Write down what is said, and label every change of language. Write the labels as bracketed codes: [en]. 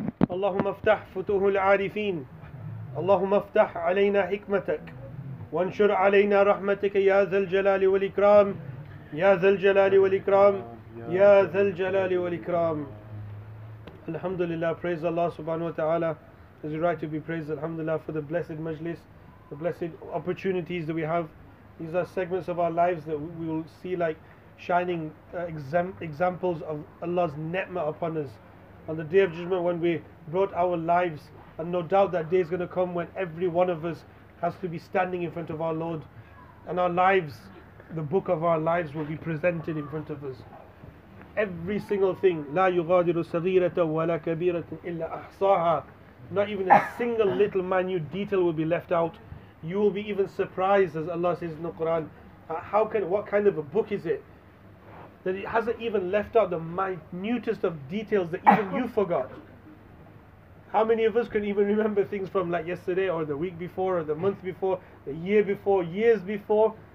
[ar] اللهم افتح فتوح العارفين، اللهم افتح علينا حكمتك، وانشر علينا رحمتك يا ذا الجلال والإكرام، يا ذا الجلال والإكرام، يا ذا الجلال والإكرام. [en] الحمد لله، praise Allah subhanahu wa ta'ala. It is right to be praised, alhamdulillah, for the blessed majlis, the blessed opportunities that we have. These are segments of our lives that we will see like shining examples of Allah's ni'mah upon us. On the Day of Judgment, when we brought our lives, and no doubt that day is going to come when every one of us has to be standing in front of our Lord, and our lives, the book of our lives, will be presented in front of us. Every single thing, [ar] لا يغادر صغيرة ولا كبيرة إلا أحصاها. [en] Not even a single little minute detail will be left out. You will be even surprised, as Allah says in the Quran, what kind of a book is it? That it hasn't even left out the minutest of details that even you forgot. How many of us can even remember things from like yesterday or the week before or the month before, the year before, years before?